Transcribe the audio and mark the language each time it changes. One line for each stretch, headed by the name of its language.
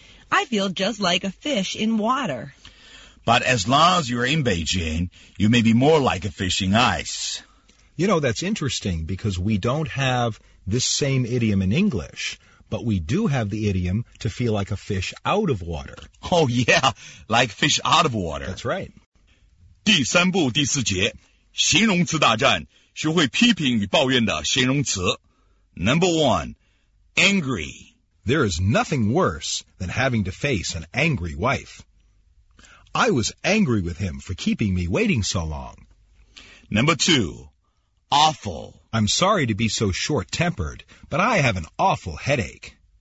English: I feel just like a fish in water. But as long as you're in Beijing, you may be more like a fish in ice. You know, that's interesting because we don't have this same idiom in English. But we do have the idiom to feel like a fish out of water. Oh, yeah, like fish out of water. That's right.
Chinese: 第三步第四节，形容词大战，学会批评与抱怨的形容词。
English: Number one, angry. There is nothing worse than having to face an angry wife. I was angry with him for keeping me waiting so long. Number two, awful. I'm sorry to be so short-tempered, but I have an awful headache.